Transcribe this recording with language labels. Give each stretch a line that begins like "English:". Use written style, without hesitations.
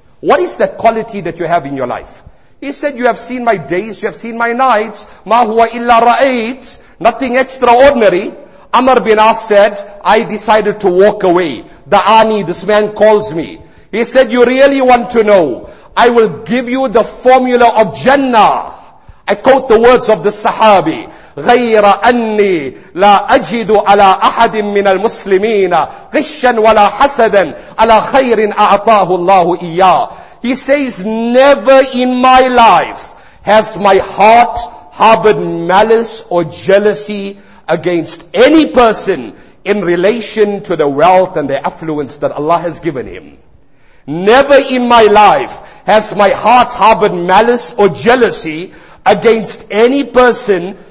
English: What is that quality that you have in your life? He said, you have seen my days, you have seen my nights.
Arabic: Ma huwa illa ra'ait.
English: Nothing extraordinary. Amr bin As said, I decided to walk away. Da'ani, this man calls me. He said, you really want to know? I will give you the formula of Jannah. I quote the words of the Sahabi,
Arabic: غَيْرَ أَنِّي لَا أَجِدُ عَلَىٰ أَحَدٍ مِّنَ الْمُسْلِمِينَ غِشًّا وَلَا حَسَدًا عَلَىٰ خَيْرٍ أَعْطَاهُ اللَّهُ إِيَّا.
English: He says, never in my life has my heart harbored malice or jealousy against any person in relation to the wealth and the affluence that Allah has given him. Never in my life has my heart harbored malice or jealousy against any person